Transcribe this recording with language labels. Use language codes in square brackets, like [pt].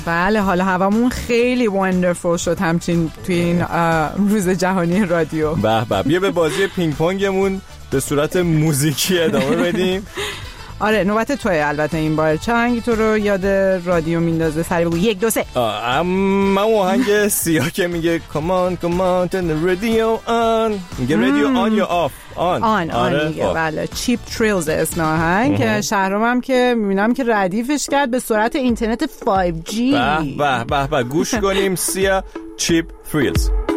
[fa] بله، حالا هوامون خیلی وندرفول شد همچنین توی این روز جهانی رادیو. به به، بیا به بازی پینگ پونگمون به صورت موزیکی ادامه بدیم. آره، نوبت توی البته این بار. چه آهنگی تو رو یاد رادیو میندازه؟ سری بگو. 1 2 3. من آهنگ سیاه که میگه [en] Come on, come on, turn the radio on. [fa] میگه رادیو on یا off؟ آن میگه. بله، چیپ تریلز اسم آهنگ. شهرام هم که میبینم که ردیفش کرد به صورت اینترنت 5G. به به به، گوش کنیم سیاه، چیپ تریلز.